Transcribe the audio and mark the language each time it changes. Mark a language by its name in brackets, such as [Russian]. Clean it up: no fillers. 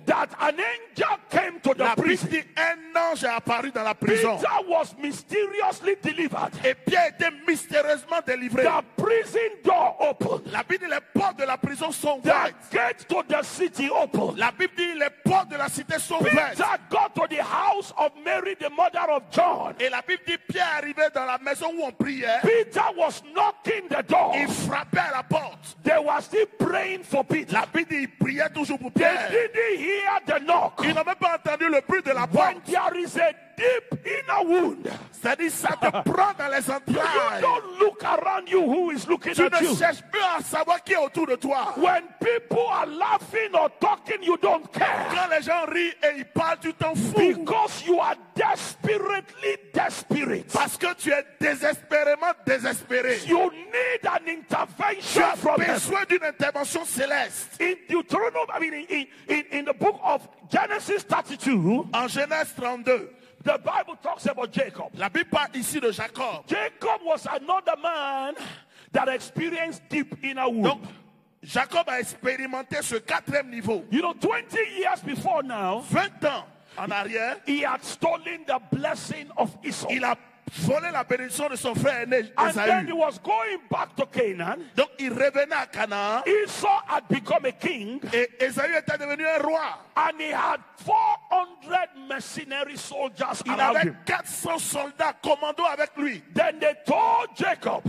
[English] That an angel came to the prison. [French] Dit, un ange est apparu dans la prison. [English] Peter was mysteriously delivered. [French] Et Pierre était mystérieusement délivré. [English] The prison door opened. [French] La Bible dit les portes de la prison sont [English] the [French] ouvertes. [English] Gate to the city opened. [French] La Bible dit les portes de la cité sont [English] Peter [French] ouvertes. [English] Peter got to the house of Mary, the mother of John. [French] Et la Bible dit Pierre arrivait dans la maison où on priait. [English] Peter was knocking the door. [French] Il frappait à la porte. [English] They were still praying for Peter. [French] La Bible dit il priait toujours. [English] They didn't hear the knock. [French] Ils n'ont même pas entendu le bruit de la porte. [English] When there is a deep inner wound, [French] c'est-à-dire ça te prend dans les entrailles. [English] You don't look around you who is looking [French] tu [English] at you. [French] Tu ne cherches plus à savoir qui est autour de toi. [English] When people are laughing or talking, you don't care. [French] Quand les gens rient et ils parlent, tu t'en fous. [English] Because you are desperately desperate. [French] Parce que tu es désespérément désespéré. [English] You need an intervention from heaven. [French] Tu as besoin d'une intervention céleste. [English] In Deuteronomy, I mean, in the book of Genesis 32. [French] En Genèse 32. [English] The Bible talks about Jacob. [French] La Bible parle ici de Jacob. [English] Jacob was another man that experienced deep inner wound. [French] Donc, Jacob a expérimenté ce quatrième niveau. [English] You know, 20 years before now, [French] 20 ans, en arrière. [English] He had stolen the blessing of Esau. [French] Il a volé la bénédiction de son frère aîné Esaü. [English] And then he was going back to Canaan. [French] Donc il revenait à Canaan. [English] Esau had become a king. [French] Et Esaü était devenu un roi. [English] And he had 400 mercenary soldiers [French] il [English] around [French] avait [English] him. [French] 400 soldats commando avec lui. [English] Then they told Jacob.